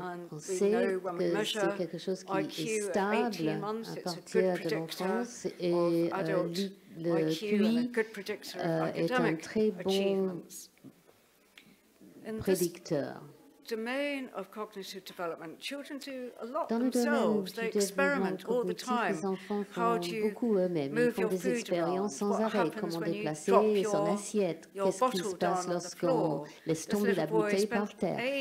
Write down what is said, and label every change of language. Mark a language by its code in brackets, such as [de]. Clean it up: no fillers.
[fr] on sait que c'est quelque chose qui est stable à partir de l'enfance et le QI est un très bon prédicteur [en] domaine of cognitive development, children do a lot themselves. They experiment all the time. [fr] Les enfants font beaucoup eux-mêmes. Ils font des expériences sans arrêt. Comment déplacer son assiette? Qu'est-ce qui se passe lorsqu'on laisse tomber la bouteille par terre?